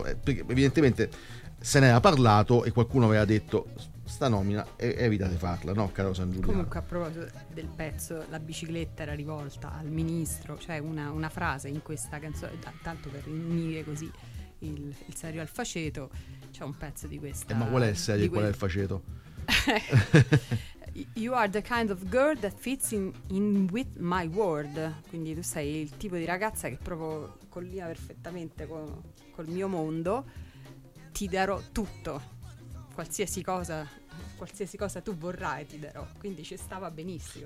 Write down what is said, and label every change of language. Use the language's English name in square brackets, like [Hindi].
[Italian] Perché evidentemente se ne era parlato e qualcuno aveva detto sta nomina evitate farla, no, caro San Giuliano? Comunque, a proposito del pezzo, la bicicletta era rivolta al ministro, cioè una frase in questa canzone, tanto per unire così il serio al faceto, c'è un pezzo di questa. Ma qual è il serio e qual è il faceto? [English] You are the kind of girl that fits in with my world. [Italian] Quindi tu sei il tipo di ragazza che proprio collina perfettamente col mio mondo. Ti darò tutto, qualsiasi cosa tu vorrai ti darò. Quindi ci stava benissimo,